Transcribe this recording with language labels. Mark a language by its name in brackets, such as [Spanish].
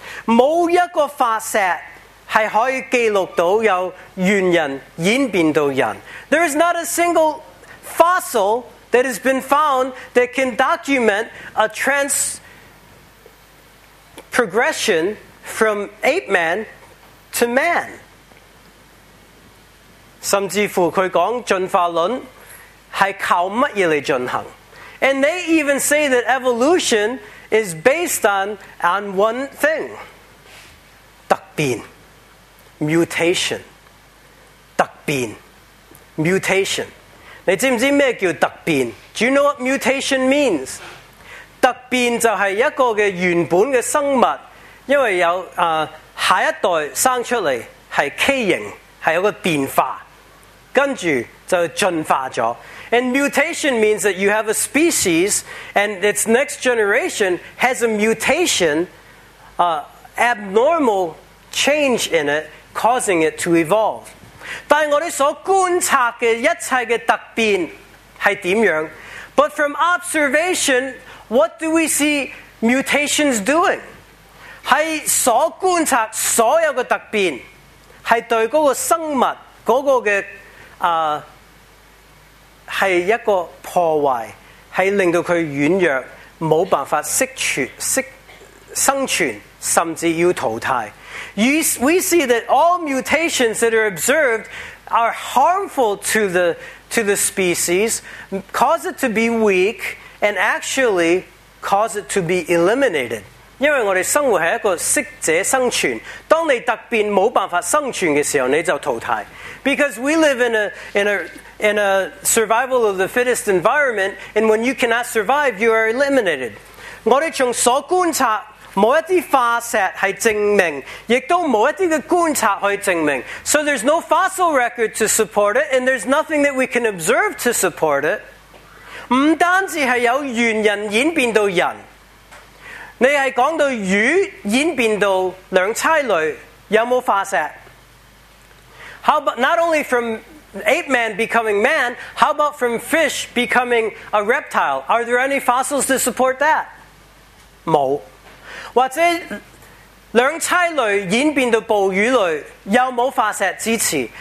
[Chinese] 没一个发现是可以记录到有猿人演变到人。 [English] There is not a single fossil that has been found that can document a trans progression from ape man to man. [Chinese] 甚至乎他讲进化论是靠什么来进行。 [English] And they even say that evolution is based on one thing. [Chinese] 突变。 [English] Mutation. [Chinese] 突变。Mutation. 你知不知道什么叫突变？ [English] Do you know what mutation means? [Chinese] 突变就是一个的原本的生物，因为有下一代生出来是畸形，是有个变化，跟住就进化了。 [English] And mutation means that you have a species and its next generation has a mutation, abnormal change in it,causing it to evolve. [Chinese] 但我们所观察的一切的突变是怎样？ [English] But from observation, what do we see mutations doing? [Chinese] 是所观察所有的突变，是对那个生物，那个的，是一个破坏，是令到它软弱，没办法生存，甚至要淘汰。 [English] We see that all mutations that are observed are harmful to the species, cause it to be weak, and actually cause it to be eliminated. [Chinese] 因为我们生活是一个适者生存，当你突变没办法生存的时候，你就淘汰。 [English] Because we live in a survival of the fittest environment, and when you cannot survive, you are eliminated. [Chinese] 我们从所观察没一些化石是证明，也都没一些观察去证明。 [English] So there's no fossil record to support it, and there's nothing that we can observe to support it. [Chinese] 不单止是有猿人演变到人，你是讲到鱼演变到两栖类，有没有化石？ [English] How about not only from ape man becoming man, how about from fish becoming a reptile? Are there any fossils to support that? [Chinese] 没。或者两栖类演变到哺乳类，有没有化石支持？